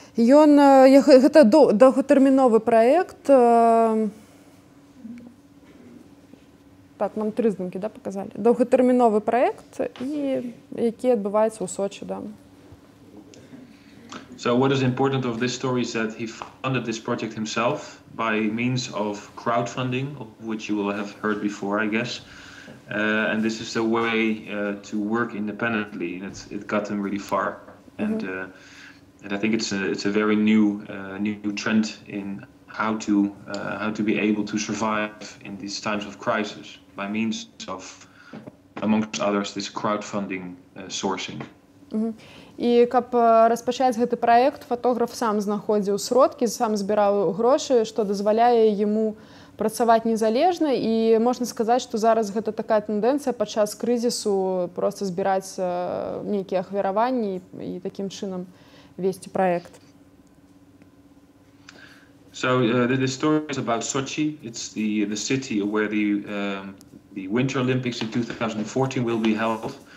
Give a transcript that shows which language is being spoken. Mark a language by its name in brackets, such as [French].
[Belarusian] Гэта доўгатэрміновы праект. Так, нам тры здымкі, да, паказалі. Доўгатэрміновы праект, які адбываецца ў Сочы, да. [English] So what is important of this story is that he funded this project himself by means of crowdfunding, which you will have heard before, I guess. And this is the way to work independently, and it got him really far. And and I think it's a very new trend in how to be able to survive in these times of crisis by means of, amongst others, this crowdfunding sourcing. [Belarusian] І каб распачаць гэты праект, фатограф сам знаходзіў сродкі, сам збіраў грошы, што дазваляе яму працаваць незалежна. І можна сказаць, што зараз гэта такая тэндэнцыя падчас крызісу просто збіраць нейкія ахвяраванні і такім чынам весці праект. [English] So the story is about Sochi. It's the city where the Winter Olympics in 2014 will be held.